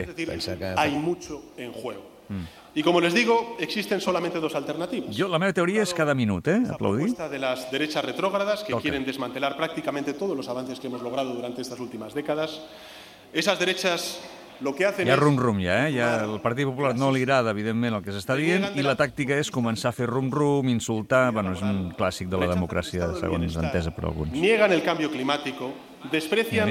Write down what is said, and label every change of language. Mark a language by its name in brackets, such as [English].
[Spanish] Es decir, hay mucho en juego. Y como les digo, existen solamente dos alternativas. [Catalan] Yo, la meva teoria és cada minut, eh? Aplaudir. [Spanish] La propuesta de las derechas retrógradas, que quieren desmantelar prácticamente todos los avances que hemos logrado durante estas últimas décadas. Esas derechas lo que hacen... [Catalan] Hi ha rum-rum, ja, eh? Ja, el Partit Popular no li agrada, evidentment, el que s'està dient, i la tàctica és començar a fer rum-rum, insultar... Bueno, és un clàssic de la democràcia, segons entesa per alguns. [Spanish] Niegan el cambio climático, desprecian